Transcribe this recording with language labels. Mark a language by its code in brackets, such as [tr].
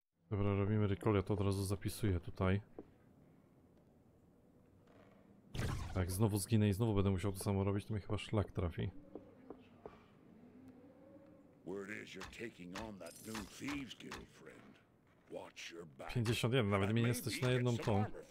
[pl] Dobra, robimy recall, ja to od razu zapisuję tutaj. Jak znowu zginę i znowu będę musiał to samo robić, to mi chyba szlak trafi. [en] Word is you're taking on that new thieves guild, friend. Watch your back. [pl] 51, nawet mnie nie stać na jedną tą.